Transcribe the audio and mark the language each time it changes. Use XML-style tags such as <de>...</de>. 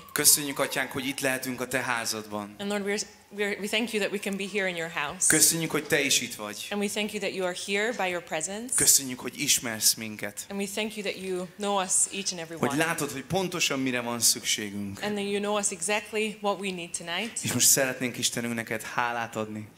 <hu>Köszönjük, Atyánk, hogy itt lehetünk a Te házadban.</hu> <en>And Lord, we thank you that we can be here in your house.</en> <hu>Köszönjük, hogy Te is itt vagy.</hu> <en>And we thank you that you are here by your presence.</en> <hu>Köszönjük, hogy ismersz minket.</hu> <en>And we thank you that you know us each and every one.</en> <hu>Hogy látod, hogy pontosan mire van szükségünk.</hu> <en>And that you know us exactly what we need tonight.</en> <hu>És most szeretnénk, Istenünk, neked hálát adni.</hu>